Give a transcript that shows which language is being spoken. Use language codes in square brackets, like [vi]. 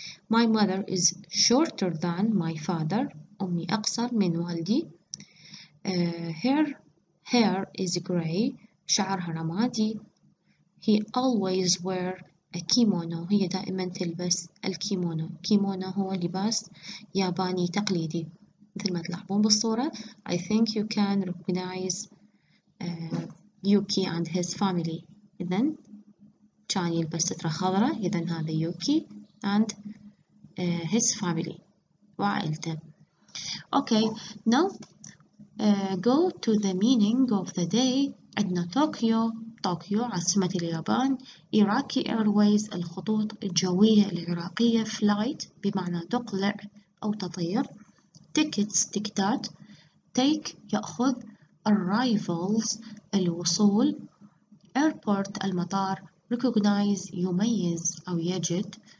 [en] My mother is shorter than my father. [ar] أمي أقصر من والدي. [en] Her hair is gray. [ar] شعرها رمادي. [en] He always wears a kimono. [ar] هي دائما تلبس الكيمونو. كيمونو هو لباس ياباني تقليدي. مثل ما تلاحظون بالصورة. [en] I think you can recognize Yuki and his family. [ar] إذن كان يلبس سترة خضراء. إذن هذا يوكي [en] and his family [ar] وعائلته. [en] Okay, now go to the meaning of the day. [ar] عندنا طوكيو. طوكيو عاصمة اليابان. Iraqi Airways الخطوط الجوية العراقية. Flight بمعنى تقلع أو تطير. Tickets تكتات. Take يأخذ. Arrivals الوصول. Airport المطار. Recognize يميز أو يجد.